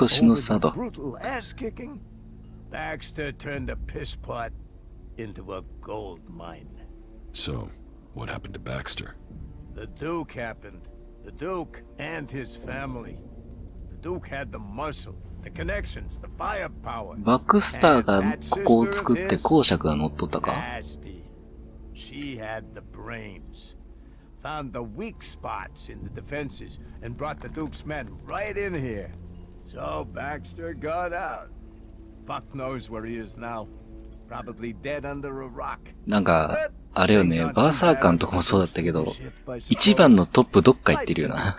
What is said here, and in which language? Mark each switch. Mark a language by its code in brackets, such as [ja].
[en] over the brutal ass-kicking, Baxter turned a piss pot into a gold mine. So, what happened to Baxter? The Duke happened. The Duke and his family. The Duke had the muscle, the connections, the firepower. [ja] バックスターがここを作って公爵が乗っとったか？ [en] Nasty. She had the brains. Found the weak spots in the defenses and brought the Duke's men right in here. So Baxter got out. Buck knows where he is now. Probably dead under a rock. [ja] なんか…あれよね、バーサーカンとかもそうだったけど、一番のトップどっか行ってるよな。